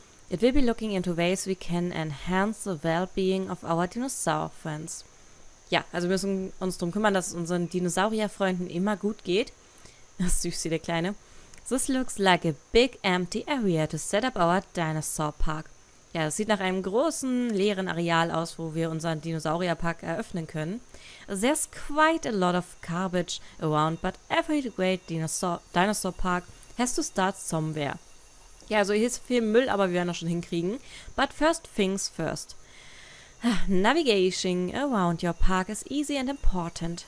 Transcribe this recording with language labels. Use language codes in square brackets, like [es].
[en] It will be looking into ways we can enhance the well-being of our Dinosaur-Friends. [de] Ja, also wir müssen uns darum kümmern, dass es unseren Dinosaurierfreunden immer gut geht. Das ist süß, der Kleine. [en] This looks like a big empty area to set up our Dinosaur-Park. [de] Ja, das sieht nach einem großen leeren Areal aus, wo wir unseren Dinosaurierpark eröffnen können. [en] There's quite a lot of garbage around, but every great Dinosaur-Park has to start somewhere. [de] Ja, also hier ist viel Müll, aber wir werden das schon hinkriegen. [en] But first things first. Navigation around your park is easy and important.